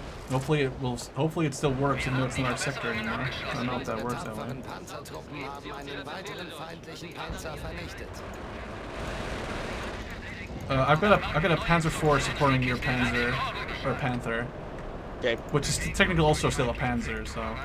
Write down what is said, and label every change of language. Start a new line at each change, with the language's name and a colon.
English: Hopefully it still works, even though it's not our sector anymore. I don't know if that works that way.
German: Panzertruppen haben einen weiteren feindlichen Panzer vernichtet.
English: I've got a Panzer IV supporting your Panzer, or Panther. Okay. Which is technically also still a Panzer, so.